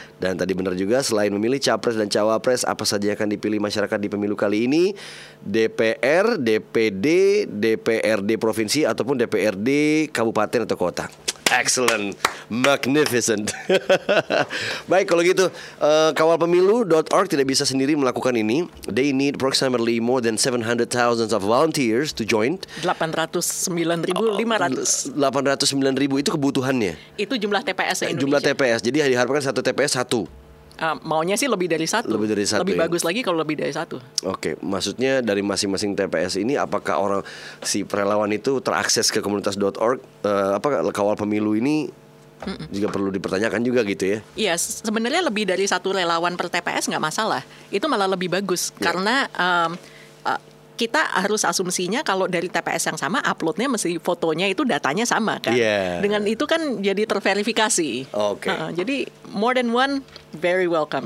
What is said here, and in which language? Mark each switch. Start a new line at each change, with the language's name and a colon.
Indonesian: Dan tadi benar juga, selain memilih capres dan cawapres, apa saja yang akan dipilih masyarakat di pemilu kali ini? DPR, DPD, DPRD Provinsi, ataupun DPRD Kabupaten atau Kota.
English: Excellent, magnificent.
Indonesian: Baik, kalau gitu, kawalpemilu.org tidak bisa sendiri melakukan ini.
English: They need approximately more than 700,000 of volunteers to join.
Indonesian: 809.500. 809.000 itu kebutuhannya. Itu jumlah TPS Indonesia. Jumlah TPS. Jadi diharapkan satu TPS satu. Maunya sih lebih dari satu. Lebih dari satu. Lebih bagus lagi kalau lebih dari satu. Oke, okay. Maksudnya dari masing-masing TPS ini, apakah orang si relawan itu terakses ke komunitas.org? Apakah kawal pemilu ini juga perlu dipertanyakan juga gitu ya? Iya, yes, sebenarnya lebih dari satu relawan per TPS nggak masalah. Itu malah lebih bagus karena. Kita harus asumsinya kalau dari TPS yang sama uploadnya mesti fotonya itu datanya sama kan.
English: Yeah.
Indonesian: Dengan itu kan jadi terverifikasi. Oke. Okay. Jadi
English: more than one very welcome.